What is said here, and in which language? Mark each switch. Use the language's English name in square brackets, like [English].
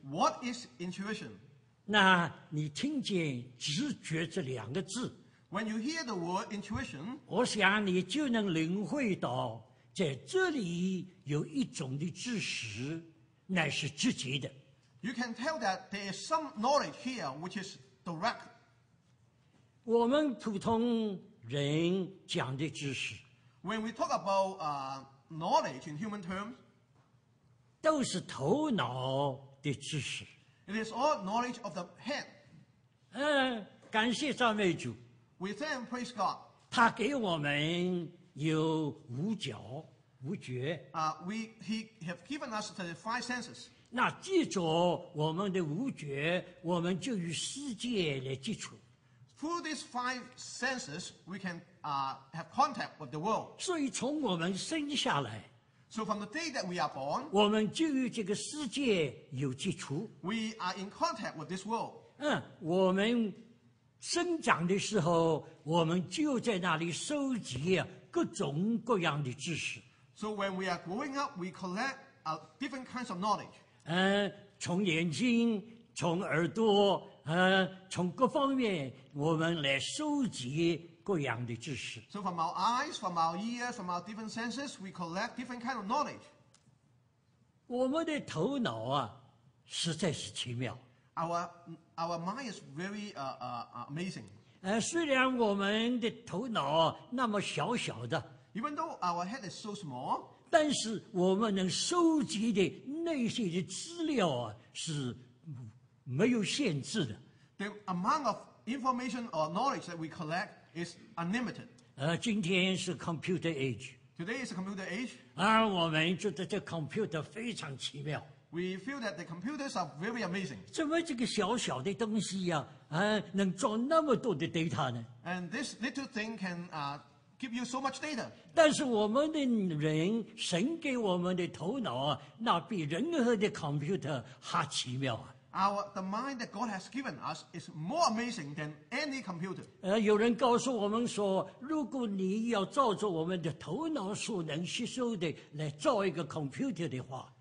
[English] What is intuition? [Chinese] 那你听见直觉这两个字。 [English] When you hear the word intuition, [Chinese] 我想你就能领会到在这里有一种的知识乃是直接的。 [English] You can tell that there is some knowledge here which is direct. [Chinese] 我们普通人讲的知识 [English] When we talk about knowledge in human terms [Chinese] 都是头脑的知识 [English] It is all knowledge of the head [Chinese] 感谢赞美主 [English] We thank praise God [Chinese] 他给我们有五角五觉 [English] He have given us the five senses [Chinese] 那借着我们的五觉我们就与世界来接触 [English] Through these five senses, we can have contact with the world. [Chinese] 所以从我们生下来 [English] So from the day that we are born, [Chinese] 我们就与这个世界有接触 [English] We are in contact with this world. [Chinese] 我们生长的时候，我们就在那里收集各种各样的知识 [English] So when we are growing up, we collect different kinds of knowledge. [Chinese] 从眼睛从耳朵从各方面我们来收集各样的知识。 [English] So from our eyes, from our ears, from our different senses, we collect different kind of knowledge. [Chinese] 我们的头脑啊实在是奇妙。 [English] Our mind is very amazing. [Chinese] 虽然我们的头脑那么小小的。 [English] Even though our head is so small, [Chinese] 但是我们能收集的那些的资料啊是没有限制的。 [English] The amount of information or knowledge that we collect is unlimited. [Chinese] 今天是 [English] computer age. Today is a computer age. [Chinese] 而我们觉得这 computer 非常奇妙。 [English] We feel that the computers are very amazing. [Chinese] 怎么这个小小的东西呀，能装那么多的 data 呢？ [English] And this little thing can give you so much data. [Chinese] 但是我们的人，神给我们的头脑啊，那比任何的 computer 还奇妙啊。 [English] The mind that God has given us is more amazing than any computer. [Chinese] 有人告诉我们说，如果你要照着我们的头脑所能吸收的来造一个 computer 的话